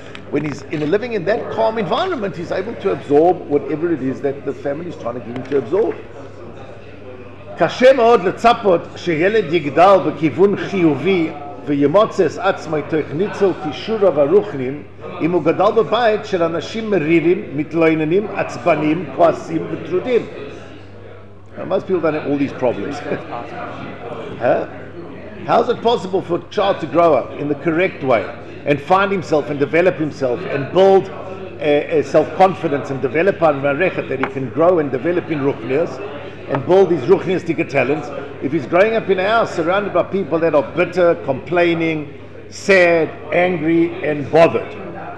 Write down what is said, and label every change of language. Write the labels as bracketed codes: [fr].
[en] When he's in a living in that calm environment, he's able to absorb whatever it is that the family is trying to get him to absorb. [he] קשה מאוד לצפות שילד יגדל בכיוון חיובי וימוצא את עצמו תוך ניצול כישור ורוחנים אם הוא גדל בבית של אנשים מרירים, מתלוננים, עצבנים, כועסים וטרודים. [en] Most people don't have all these problems. Huh? How is it possible for a child to grow up in the correct way and find himself and develop himself and build a self-confidence and develop a marechet that he can grow and develop in ruchnias and build his ruchniastika talents if he's growing up in a house surrounded by people that are bitter, complaining, sad, angry and bothered?